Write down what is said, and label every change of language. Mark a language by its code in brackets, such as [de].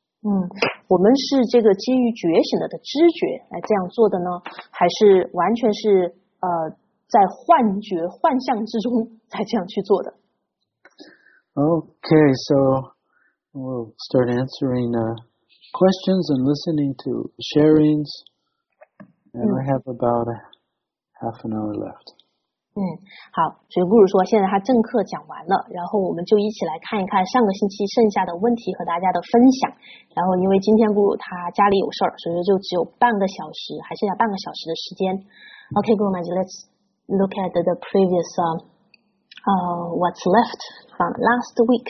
[zh] 我们是这个基于觉醒的知觉来这样做的呢，还是完全是在幻觉幻象之中才这样去做的？ [en] Okay, so we'll start answering questions and listening to sharings, and I have about half an hour left. [zh] 好，所以顾如说现在他正课讲完了，然后我们就一起来看一看上个星期剩下的问题和大家的分享。然后因为今天顾如他家里有事，所以就只有半个小时，还剩下半个小时的时间。 [en] Okay, Guru Maharaj, let'slook at the previous what's left from last week.